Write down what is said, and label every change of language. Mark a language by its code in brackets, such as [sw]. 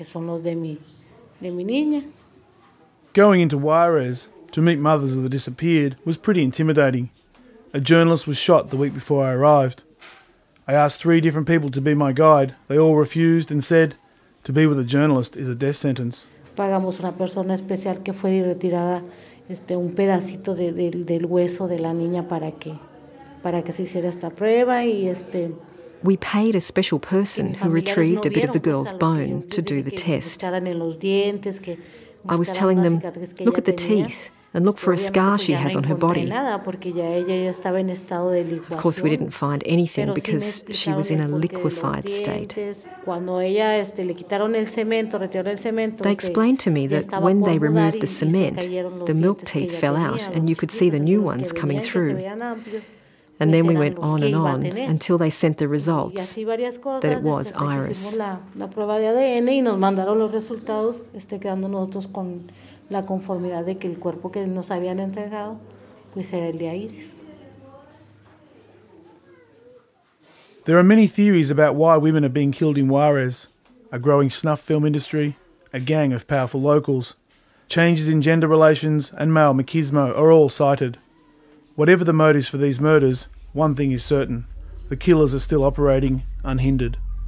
[en] Going into Juarez to meet mothers of the disappeared was pretty intimidating. A journalist was shot the week before I arrived. I asked three different people to be my guide. They all refused and said, to be with a journalist is a death sentence. [es] Pagamos una persona especial que fue retirada un pedacito del hueso de la niña para que se hiciera esta prueba y [en] We paid a special person who retrieved a bit of the girl's bone to do the test. I was telling them, look at the teeth and look for a scar she has on her body. Of course, we didn't find anything because she was in a liquefied state. They explained to me that when they removed the cement, the milk teeth fell out and you could see the new ones coming through. And then we went on and on until they sent the results that it was Iris. [es] La conformidad de que el cuerpo que nos habían entregado pues era el de Iris. [en] There are many theories about why women are being killed in Juarez, a growing snuff film industry, a gang of powerful locals. Changes in gender relations and male machismo are all cited. Whatever the motives for these murders, one thing is certain. The killers are still operating unhindered.